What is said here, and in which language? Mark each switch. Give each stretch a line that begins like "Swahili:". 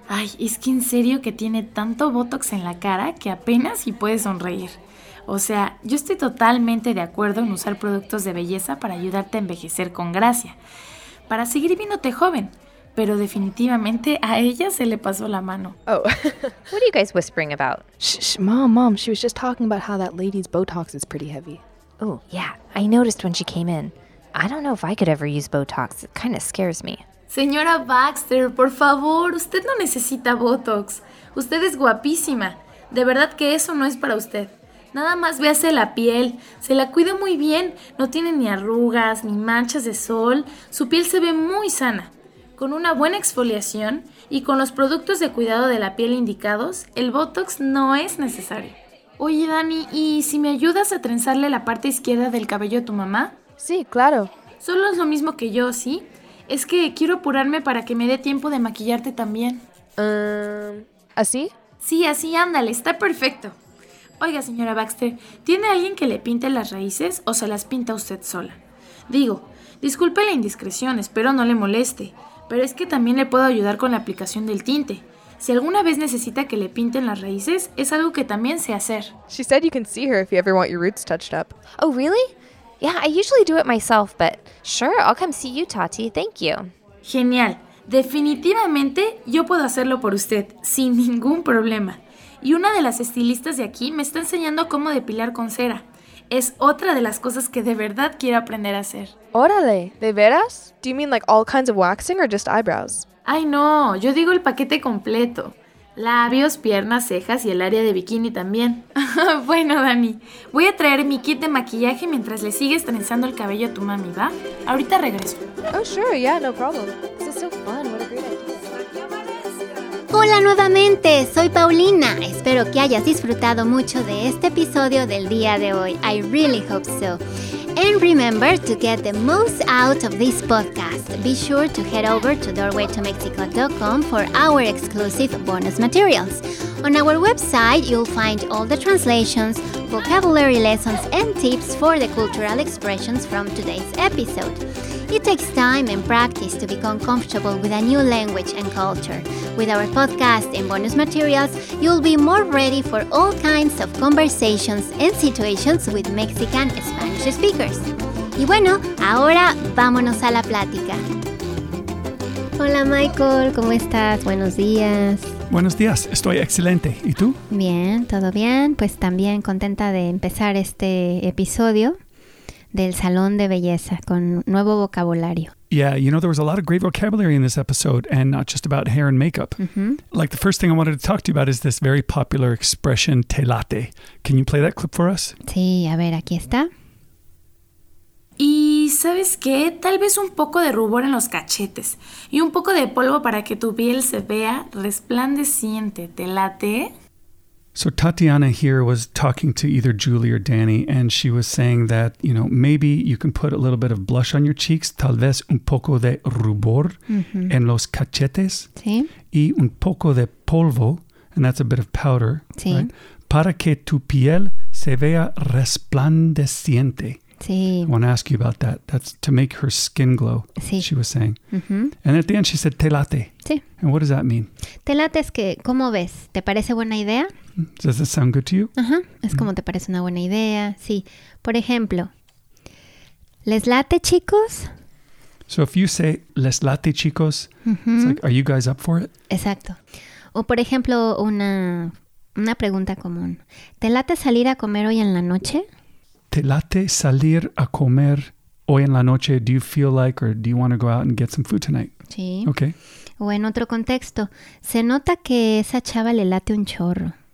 Spanish: Ay, es que en serio que tiene tanto botox en la cara que apenas si puede sonreír. O sea, yo estoy totalmente de acuerdo en usar productos de belleza para ayudarte a envejecer con gracia, para seguir viéndote joven. Pero definitivamente a ella se le pasó la mano.
English: Oh, what are you guys whispering about? Shh, mom, she was just talking about how that lady's Botox is pretty heavy. Oh, yeah, I noticed when she came in. I don't know if I could ever use Botox. It kind of scares me.
Spanish: Señora Baxter, por favor, usted no necesita Botox. Usted es guapísima. De verdad que eso no es para usted. Nada más véase la piel. Se la cuida muy bien. No tiene ni arrugas, ni manchas de sol. Su piel se ve muy sana. Con una buena exfoliación y con los productos de cuidado de la piel indicados, el Botox no es necesario. Oye, Dani, ¿y si me ayudas a trenzarle la parte izquierda del cabello a tu mamá? Sí, claro. Solo es lo mismo que yo, ¿sí? Es que quiero apurarme para que me dé tiempo de maquillarte también. ¿Así? Sí, así, ándale, está perfecto. Oiga, señora Baxter, ¿tiene alguien que le pinte las raíces o se las pinta usted sola? Digo, disculpe la indiscreción, espero no le moleste, pero es que también le puedo ayudar con la aplicación del tinte. Si alguna vez necesita que le pinten las raíces, es algo que también sé hacer.
English: She said you can see her if you ever want your roots touched up. Oh, really? Yeah, I usually do it myself, but sure, I'll come see you, Tati. Thank you.
Spanish: Genial. Definitivamente, yo puedo hacerlo por usted, sin ningún problema. Y una de las estilistas de aquí me está enseñando cómo depilar con cera. Es otra de las cosas que de verdad quiero aprender a hacer. ¡Órale! ¿De veras?
English: Do you mean like all kinds of waxing or just eyebrows?
Spanish: ¡Ay, no! Yo digo el paquete completo. Labios, piernas, cejas y el área de bikini también. Bueno, Dani, voy a traer mi kit de maquillaje mientras le sigues trenzando el cabello a tu mami, ¿va? Ahorita regreso.
English: Oh, sure, yeah, no problem. This is so fun, what a great idea.
Spanish: Hola nuevamente, soy Paulina. Espero que hayas disfrutado mucho de este episodio del día de hoy.
English: I really hope so. And remember to get the most out of this podcast. Be sure to head over to doorwaytomexico.com for our exclusive bonus materials. On our website, you'll find all the translations, vocabulary lessons, and tips for the cultural expressions from today's episode. It takes time and practice to become comfortable with a new language and culture. With our podcast and bonus materials, you'll be more ready for all kinds of conversations and situations with Mexican Spanish speakers.
Spanish: Y bueno, ahora vámonos a la plática. Hola, Michael. ¿Cómo estás? Buenos días. Buenos días. Estoy excelente. ¿Y tú? Bien, todo bien. Pues también contenta de empezar este episodio del Salón de Belleza, con nuevo vocabulario.
English: Yeah, you know, there was a lot of great vocabulary in this episode, and not just about hair and makeup. Mm-hmm. Like, the first thing I wanted to talk to you about is this very popular expression,
Spanish: te late.
English: Can you play that clip for us?
Spanish: Sí, a ver, aquí está. ¿Y sabes qué? Tal vez un poco de rubor en los cachetes, y un poco de polvo para que tu piel se vea resplandeciente, te late.
English: So Tatiana here was talking to either Julie or Danny, and she was saying that, you know, maybe you can put a little bit of blush on your cheeks,
Spanish: tal vez un poco de rubor
English: mm-hmm.
Spanish: en los cachetes, sí. y un poco de polvo,
English: and that's a bit of powder, sí. right?
Spanish: Para que tu piel se vea resplandeciente. Sí.
English: I want to ask you about that. That's to make her skin glow,
Spanish: sí.
English: she was saying. Mm-hmm. And at the end she said,
Spanish: te late. Sí.
English: And what does that mean?
Spanish: Te late es que, ¿cómo ves? ¿Te parece buena idea?
English: Does this sound good to you?
Spanish: Ajá, es como te parece una buena idea, sí. Por ejemplo, ¿les late, chicos?
English: So if you say,
Spanish: ¿les late, chicos? Mm-hmm.
English: It's like, ¿are you guys up for it?
Spanish: Exacto. O por ejemplo, una pregunta común. ¿Te late salir a comer hoy en la noche? ¿Te late salir a comer hoy en la noche?
English: Do you feel like or do you want to go out and get some food tonight?
Spanish: Sí.
English: Okay.
Spanish: O en otro contexto, se nota que esa chava le late un chorro.